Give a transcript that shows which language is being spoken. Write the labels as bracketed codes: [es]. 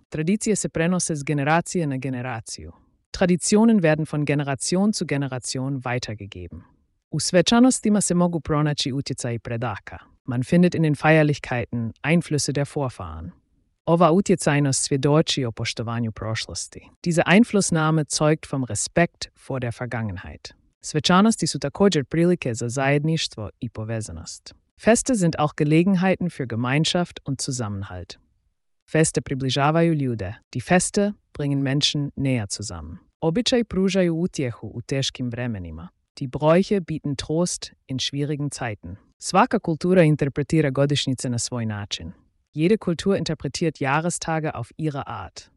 [hr] Tradizio se prenosis generatio na generatio. [de] Traditionen werden von Generation zu Generation weitergegeben. [hr] U svečanostima se mogu pronaći utjecaji predaka. [de] Man findet in den Feierlichkeiten Einflüsse der Vorfahren. [hr] Ova utjecajnost svjedoči o poštovanju prošlosti. [de] Diese Einflussnahme zeugt vom Respekt vor der Vergangenheit. [hr] Svečanosti su također prilike za zajedništvo i povezanost. [de] Feste sind auch Gelegenheiten für Gemeinschaft und Zusammenhalt. [hr] Feste približavaju ljude. [de] Die Feste bringen Menschen näher zusammen. [hr] Običaj pružaju utjehu u teškim vremenima. [de] Die Bräuche bieten Trost in schwierigen Zeiten. Svaka kultura interpretira godišnjice na svoj način. Jede Kultur interpretiert Jahrestage auf ihre Art.